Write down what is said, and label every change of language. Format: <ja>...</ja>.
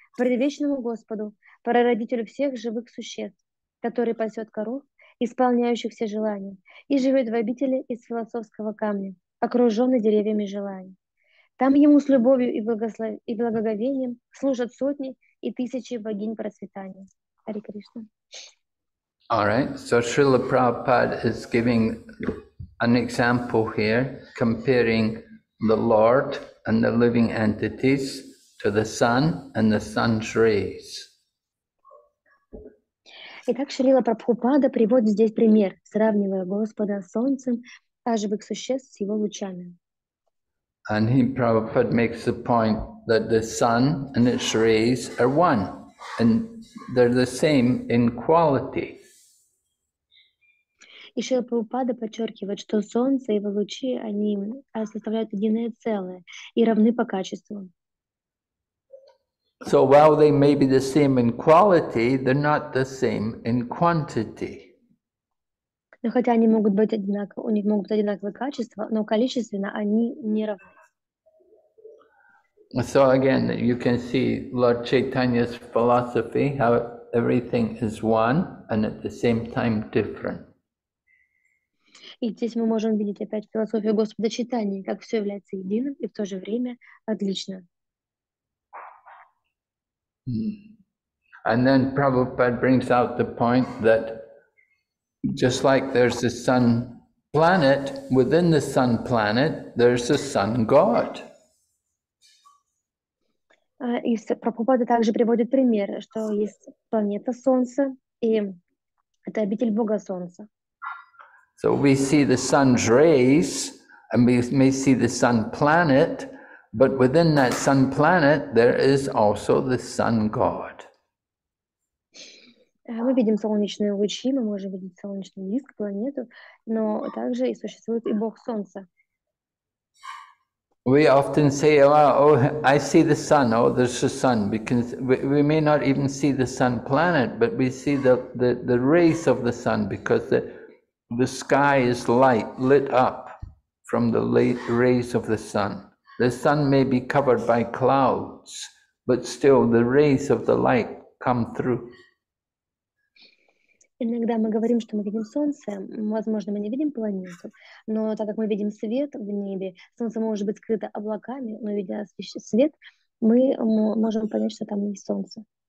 <ru>предвечному Господу, прародителю всех живых существ, который пасет коров, исполняющих все желания, и живет в обители из философского камня, окруженный деревьями желаний. Там ему с любовью и благоговением служат сотни и тысячи богинь процветания. Хари Кришна.</ru> <en>All right, so Srila Prabhupada is giving an example here, comparing the Lord and the living entities to the sun and the sun's rays.</en> <ru>Итак, Шрила Прабхупада приводит здесь пример, сравнивая Господа с Солнцем, а живых существ с его лучами.</ru> <en>And he, Prabhupada, makes the point that the sun and its rays are one, and they're the same in quality.</en> <ru>И Шрила Прабхупада подчеркивает, что Солнце и его лучи, они составляют единое целое и равны по качеству.</ru> <en>So while they may be the same in quality, they're not the same in quantity.</en> <ru>Но хотя они могут быть одинаковы, у них могут быть одинаковые качества, но количественно они не равны.</ru> <en>So again, you can see Lord Chaitanya's philosophy, how everything is one and at the same time different.</en> <ru>И здесь мы можем видеть опять философию Господа Чайтаньи, как все является единым и в то же время отлично.</ru> <en>And then Prabhupada brings out the point that just like there's the sun planet, within the sun planet, there's the sun god.</en> <ru>И Прабхупада также приводит пример, что есть планета Солнца, и это обитель Бога Солнца.</ru> <en>So we see the sun's rays, and we may see the sun planet, but within that sun planet, there is also the sun god.</en> <ru>Мы видим солнечные лучи, мы можем видеть солнечный диск, планету, но также и существует и Бог Солнца.</ru> <en>We often say, oh, I see the sun, oh, there's the sun, because we may not even see the sun planet, but we see the rays of the sun, because the sky is light, lit up from the rays of the sun. The sun may be covered by clouds, but still the rays of the light come through.</en> <ru>Иногда мы говорим, что мы видим солнце, возможно, мы не видим планету, но так как мы видим свет в небе, солнце может быть скрыто облаками, но видя свет, мы можем понять, что там есть солнце.</ru>